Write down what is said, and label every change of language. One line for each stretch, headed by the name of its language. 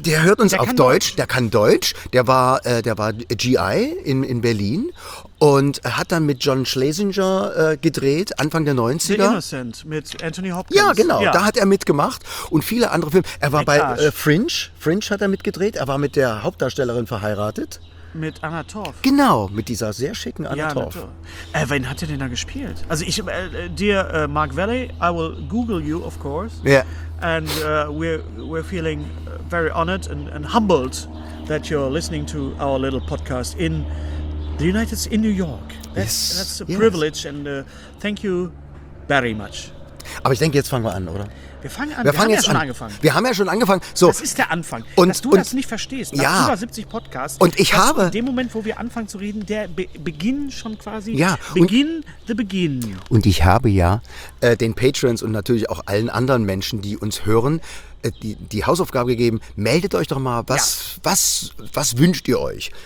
German: Der hört uns auf Deutsch. Der kann Deutsch. Der war GI in Berlin und hat dann mit John Schlesinger gedreht, Anfang der 90er. The Innocent mit Anthony Hopkins. Ja, genau. Ja. Da hat er mitgemacht und viele andere Filme. Er war bei Fringe. Fringe hat er mitgedreht. Er war mit der Hauptdarstellerin verheiratet. Mit Anna Torf. Genau, mit dieser sehr schicken Anna Torf. Wen hat er denn da gespielt? Also ich, dir,
English: Mark Valley, I will Google you, of course. Ja. Yeah. And we're feeling very honored and humbled that you're listening to our little podcast in the United States, in New York. Yes. That's a privilege and thank you very much.
German: Aber ich denke, jetzt fangen wir an, oder? Wir fangen an. Wir haben ja schon angefangen. Wir haben ja schon angefangen. So. Das ist der Anfang. Und, Dass du das nicht verstehst, nach ja. über 70 Podcasts. Und ich habe... In dem Moment, wo wir anfangen zu reden, der Beginn schon quasi... Ja. Begin the Begin. Und ich habe ja den Patrons und natürlich auch allen anderen Menschen, die uns hören, die Hausaufgabe gegeben, meldet euch doch mal, was wünscht ihr euch?